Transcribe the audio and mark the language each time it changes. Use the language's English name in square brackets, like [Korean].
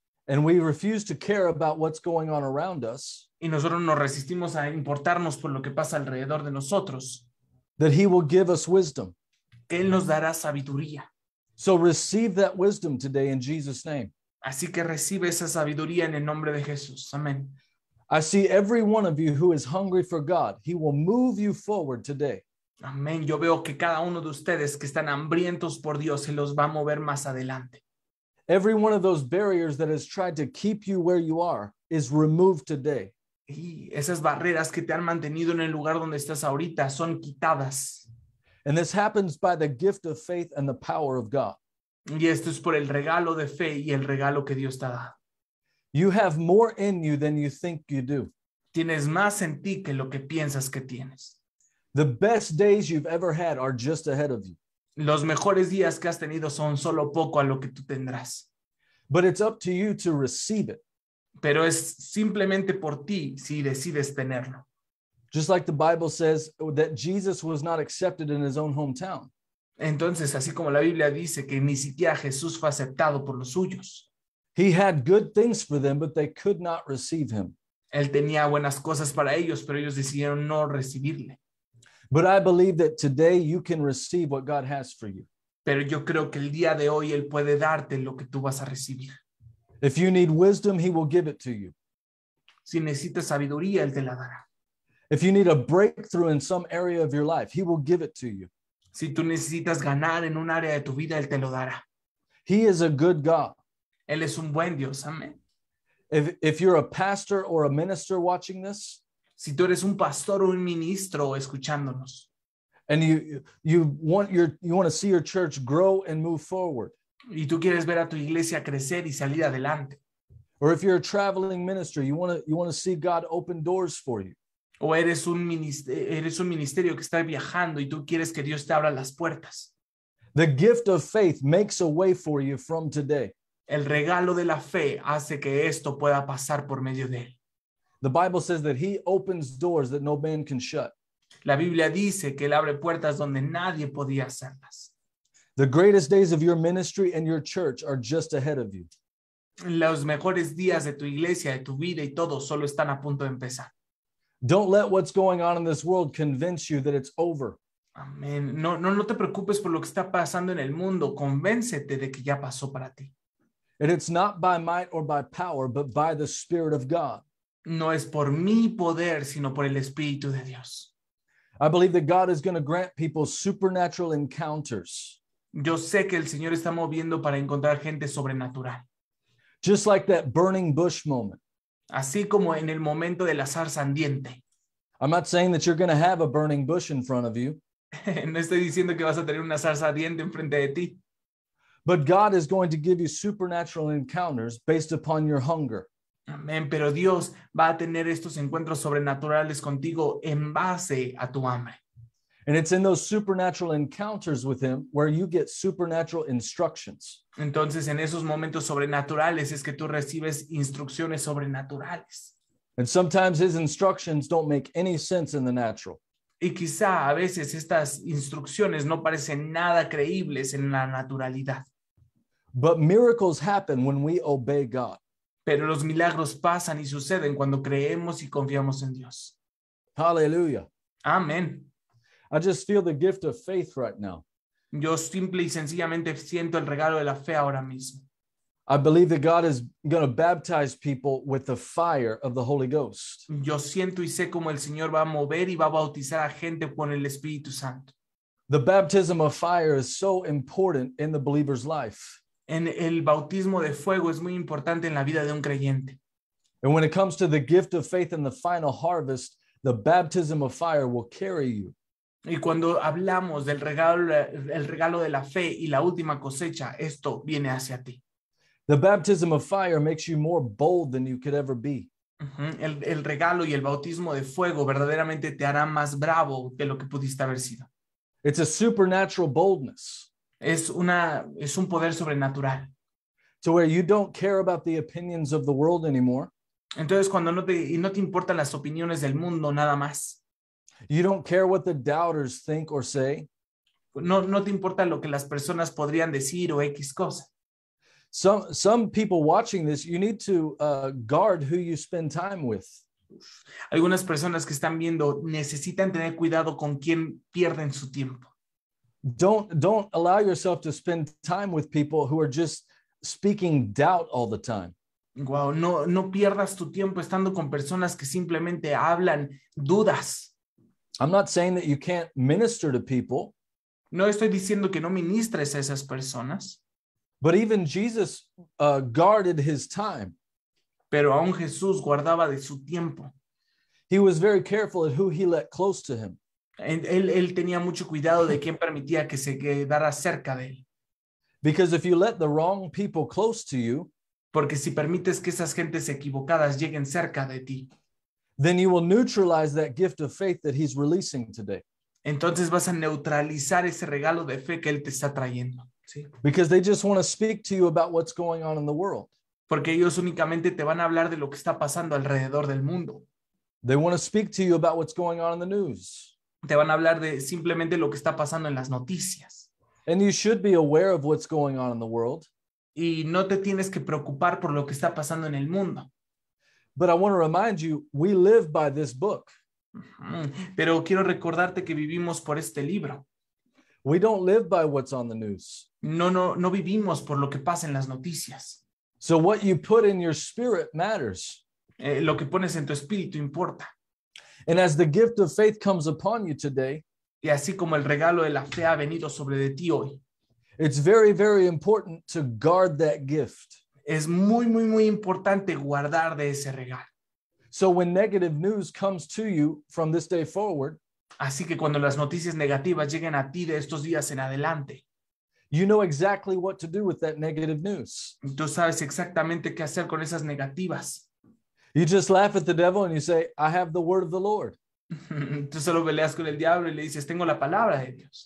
[English] And we refuse to care about what's going on around us. [Spanish] Y nosotros nos resistimos a importarnos por lo que pasa alrededor de nosotros. [English] That he will give us wisdom. [Spanish] Que él nos dará sabiduría. [English] So receive that wisdom today in Jesus' name. [Spanish] Así que recibe esa sabiduría en el nombre de Jesús. Amén. [English] I see every one of you who is hungry for God. He will move you forward today. [Spanish] Amén. Yo veo que cada uno de ustedes que están hambrientos por Dios, se los va a mover más adelante. [English] Every one of those barriers that has tried to keep you where you are is removed today. [Spanish] Y esas barreras que te han mantenido en el lugar donde estás ahorita son quitadas. [English] And this happens by the gift of faith and the power of God. [Spanish] Y esto es por el regalo de fe y el regalo que Dios te da. [English] You have more in you than you think you do. [Spanish] Tienes más en ti que lo que piensas que tienes. [English] The best days you've ever had are just ahead of you. [Spanish] Los mejores días que has tenido son solo poco a lo que tú tendrás. [English] But it's up to you to receive it. [Spanish] Pero es simplemente por ti si decides tenerlo. [English] Just like the Bible says that Jesus was not accepted in his own hometown. [Spanish] Entonces, así como la Biblia dice que ni siquiera Jesús fue aceptado por los suyos. [English] He had good things for them, but they could not receive him. [Spanish] Él tenía buenas cosas para ellos, pero ellos decidieron no recibirle. [English] But I believe that today you can receive what God has for you. [Spanish] Pero yo creo que el día de hoy Él puede darte lo que tú vas a recibir. [English] If you need wisdom, He will give it to you. [Spanish] Si necesitas sabiduría, Él te la dará. [English] If you need a breakthrough in some area of your life, He will give it to you. [Spanish] Si tú necesitas ganar en un área de tu vida, Él te lo dará. [English] He is a good God. [Spanish] Él es un buen Dios. Amén. [English] If you're a pastor or a minister watching this, [Spanish] si tú eres un pastor o un ministro escuchándonos, [English] and you want to see your church grow and move forward, [Spanish] y tú quieres ver a tu iglesia crecer y salir adelante, [English] or if you're a traveling minister, you want to see God open doors for you, [Spanish] o eres un ministerio que está viajando y tú quieres que Dios te abra las puertas, [English] the gift of faith makes a way for you from today. [Spanish] El regalo de la fe hace que esto pueda pasar por medio de él. [English] The Bible says that he opens doors that no man can shut. [Spanish] La Biblia dice que él abre puertas donde nadie podía hacerlas. [English] The greatest days of your ministry and your church are just ahead of you. [Spanish] Los mejores días de tu iglesia, de tu vida y todo solo están a punto de empezar. [English] Don't let what's going on in this world convince you that it's over. [Spanish] Amén. No te preocupes por lo que está pasando en el mundo. Convéncete de que ya pasó para ti. [English] And it's not by might or by power, but by the Spirit of God. [Spanish] No es por mi poder, sino por el Espíritu de Dios. [English] I believe that God is going to grant people supernatural encounters. [Spanish] Yo sé que el Señor está moviendo para encontrar gente sobrenatural. [English] Just like that burning bush moment. [Spanish] Así como en el momento de la zarza ardiente. [English] I'm not saying that you're going to have a burning bush in front of you. [Spanish] No estoy diciendo que vas a tener una zarza ardiente en frente de ti. [English] But God is going to give you supernatural encounters based upon your hunger. [Spanish] Amén, pero Dios va a tener estos encuentros sobrenaturales contigo en base a tu hambre. [English] And it's in those supernatural encounters with him where you get supernatural instructions. [Spanish] Entonces, en esos momentos sobrenaturales es que tú recibes instrucciones sobrenaturales. [English] And sometimes his instructions don't make any sense in the natural. [Spanish] Y quizá a veces estas instrucciones no parecen nada creíbles en la naturalidad. [English] But miracles happen when we obey God. [Spanish] Pero los milagros pasan y suceden cuando creemos y confiamos en Dios. [English] Hallelujah. [Spanish] Amén. [English] I just feel the gift of faith right now. [Spanish] Yo simple y sencillamente siento el regalo de la fe ahora mismo. [English] I believe that God is going to baptize people with the fire of the Holy Ghost. [Spanish] Yo siento y sé cómo el Señor va a mover y va a bautizar a gente con el Espíritu Santo. [English] The baptism of fire is so important in the believer's life. [Spanish] En el bautismo de fuego es muy importante en la vida de un creyente. [English] And when it comes to the gift of faith and the final harvest, the baptism of fire will carry you. [Spanish] Y cuando hablamos del regalo de la fe y la última cosecha, esto viene hacia ti. [English] The baptism of fire makes you more bold than you could ever be. Uh-huh. [Spanish] El regalo y el bautismo de fuego verdaderamente te hará más bravo que lo que pudiste haber sido. [English] It's a supernatural boldness. [Spanish] Es un poder sobrenatural. [English] To where you don't care about the opinions of the world anymore. [Spanish] Entonces cuando no te importan las opiniones del mundo nada más. [English] You don't care what the doubters think or say. [Spanish] No te importa lo que las personas podrían decir o X cosa. [English] Some people watching this, you need to guard who you spend time with. [Spanish] Algunas personas que están viendo necesitan tener cuidado con quién pierden su tiempo. [English] Don't allow yourself to spend time with people who are just speaking doubt all the time. [Spanish] Wow, no pierdas tu tiempo estando con personas que simplemente hablan dudas. [English] I'm not saying that you can't minister to people. [Spanish] No estoy diciendo que no ministres a esas personas. [English] But even Jesus guarded his time. [Spanish] Pero aún Jesús guardaba de su tiempo. [English] He was very careful at who he let close to him. [Spanish] Él tenía mucho cuidado de quién permitía que se quedara cerca de él. [English] Because if you let the wrong people close to you, [Spanish] porque si permites que esas gentes equivocadas lleguen cerca de ti, [English] then you will neutralize that gift of faith that he's releasing today. [Spanish] Entonces vas a neutralizar ese regalo de fe que él te está trayendo, ¿sí? [English] Because they just want to speak to you about what's going on in the world. [Spanish] Porque ellos únicamente te van a hablar de lo que está pasando alrededor del mundo. [English] They want to speak to you about what's going on in the news. [Spanish] Te van a hablar de simplemente lo que está pasando en las noticias. [English] And you should be aware of what's going on in the world. [Spanish] Y no te tienes que preocupar por lo que está pasando en el mundo. [English] But I want to remind you, we live by this book. [Spanish] Pero quiero recordarte que vivimos por este libro. [English] We don't live by what's on the news. [Spanish] No vivimos por lo que pasa en las noticias. [English] So what you put in your spirit matters. [Spanish] Lo que pones en tu espíritu importa. [English] And as the gift of faith comes upon you today, [Spanish] y así como el regalo de la fe ha venido sobre de ti hoy, [English] it's very, very important to guard that gift. [Spanish] Es muy, muy, muy importante guardar de ese regalo. [English] So when negative news comes to you from this day forward, [Spanish] así que cuando las noticias negativas lleguen a ti de estos días en adelante, [English] you know exactly what to do with that negative news. [Spanish] Tú sabes exactamente qué hacer con esas negativas. [English] You just laugh at the devil and you say, I have the word of the Lord. [Spanish] Tú solo peleas con el diablo y le dices, tengo la palabra de Dios.